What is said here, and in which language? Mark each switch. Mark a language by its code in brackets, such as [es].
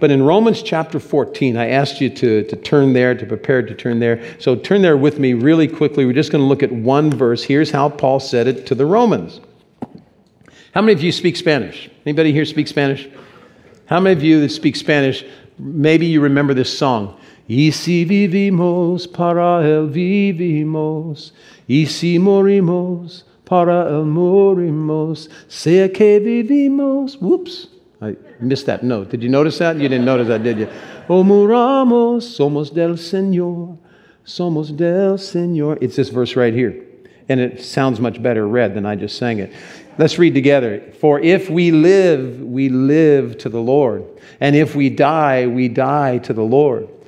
[en] But in Romans chapter 14, I asked you to prepare to turn there. So turn there with me really quickly. We're just going to look at one verse. Here's how Paul said it to the Romans. How many of you speak Spanish? Anybody here speak Spanish? How many of you that speak Spanish, maybe you remember this song? [es] Y si vivimos para el vivimos, y si morimos para el morimos, sea que vivimos. [en] Whoops, I missed that note. Did you notice that? You didn't notice that, did you? [es] O muramos, somos del Señor, somos del Señor. [en] It's this verse right here, and it sounds much better read than I just sang it. Let's read together. For if we live, we live to the Lord, and if we die, we die to the Lord.